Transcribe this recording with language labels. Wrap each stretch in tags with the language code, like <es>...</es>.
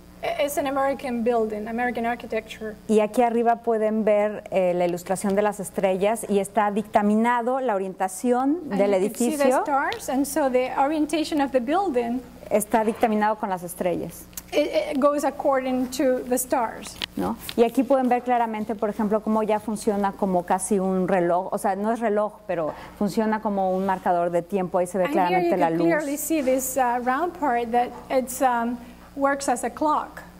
<en>It's an American building, American architecture.</en> <es>Y aquí arriba pueden ver la ilustración de las estrellas y está dictaminado la orientación del edificio.</es> <en>And you can see the stars, and so the orientation of the building</en> <es>está dictaminado con las estrellas.</es> <en>It goes according to the stars.</en> <es>¿No? Y aquí pueden ver claramente, por ejemplo, cómo ya funciona como casi un reloj. O sea, no es reloj, pero funciona como un marcador de tiempo. Ahí se ve</es> <en>and</en> <es>claramente la luz.</es> <en>And here you can clearly see this round part that it's works as a clock.</en>